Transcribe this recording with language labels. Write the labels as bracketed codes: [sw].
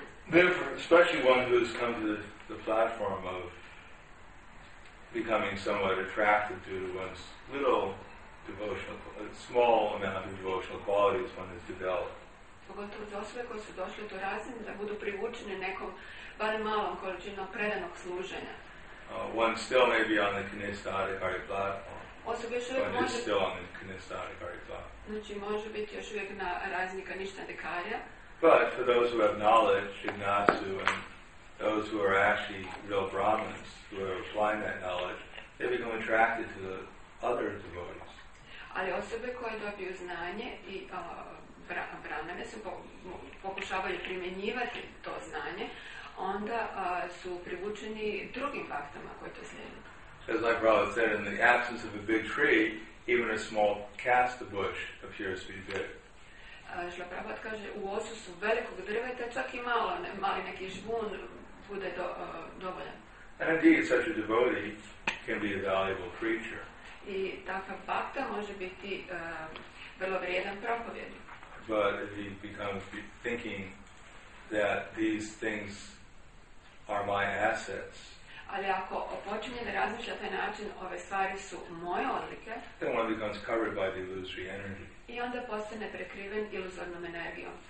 [en] Therefore, especially one who has come to the platform of becoming somewhat attracted to one's little devotional, small amount of devotional qualities one has developed. [hr] Pogotovo za osobe koje su došle do razine da budu privučene nekom barem malom količinom predanog služenja. [en] One still may be on the Kanista Adhikari platform. [hr] Osobe još uvijek može. [en] One is still on the Kanista Adhikari platform. [hr] Znači može biti još uvijek na razini Kanista Adhikarija. [en] But for those who have knowledge, Jignasu, and those who are actually real Brahmins, who are applying that knowledge, they become attracted to the other devotees. [hr] Ali osobe koje dobiju znanje i Brahmane su pokušavaju primjenjivati to znanje, onda su privučeni drugim bhaktama koji to slijede. [en] As like Prabhupada said, in the absence of a big tree, even a small casta bush appears to be big. [hr] Šla Prabhat kaže u odsustvu velikog drveta čak i malo mali neki žbun bude dovoljan. [en] And indeed such a devotee can be a valuable creature. [hr] I takav bhakta može biti vrlo vrijedan propovjednik. [en] But if he becomes thinking that these things are my assets. [hr] Ali ako počinje da razmišlja taj način ove stvari su moje odlike. [en] Then one becomes covered by the illusory energy. [hr] I onda postane prekriven iluzornom energijom.